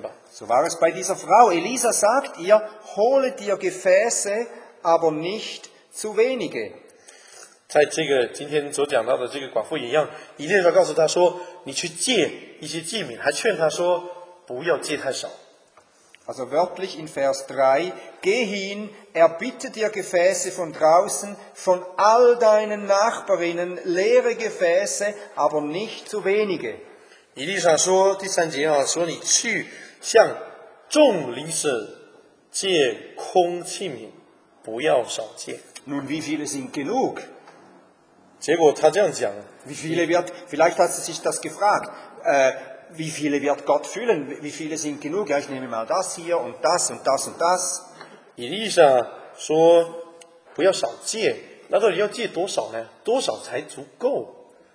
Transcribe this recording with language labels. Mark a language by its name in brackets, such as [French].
[German] So war es bei dieser Frau. Elisa sagt ihr, hole dir Gefäße, aber nicht zu wenige. [Chinese] 在这个今天所讲到的这个寡妇一样，以利亚告诉他说：“你去借一些祭品，还劝他说不要借太少。” [German] Also wörtlich in Vers 3, geh hin, er bitte dir Gefäße von draußen, von all deinen Nachbarinnen, leere Gefäße, aber nicht zu wenige. [Chinese] 以利亚说，第三节啊，说你去向众邻舍借空器皿，不要少借。 [German] Nun, wie viele sind genug? [Chinese] 结果他这样讲, [German] wie viele wird, vielleicht hat sie sich das gefragt, wie viele wird Gott füllen? Wie viele sind genug? Ja, ich nehme mal das hier und das und das und das. [Chinese] Elisa 说不要少借，那到底要借多少呢？多少才足够？